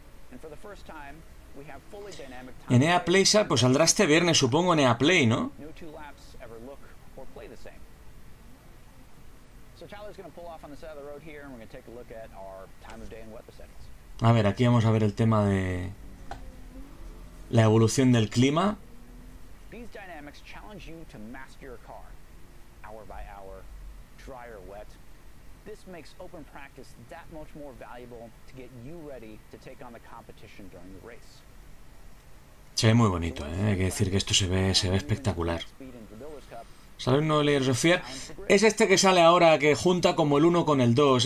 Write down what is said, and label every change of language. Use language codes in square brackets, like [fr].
[en] And for the first time, we have fully dynamic time. [es] En EA Play, pues saldrá este viernes, supongo, en EA Play, ¿no? [en] No two laps ever look or play the same. So Tyler's going to pull off on the side of the road here and we're going to take a look at our time of day and weather settings. [es] A ver, aquí vamos a ver el tema de la evolución del clima. [en] These dynamics challenge you to master your car, hour by hour, dry or wet. This makes open practice that much more valuable to get you ready to take on the competition during the race. [es] Se ve muy bonito, ¿eh? Hay que decir que esto se ve espectacular. ¿Sale un nuevo Layers of Fear? Es este que sale ahora, que junta como el 1 con el 2.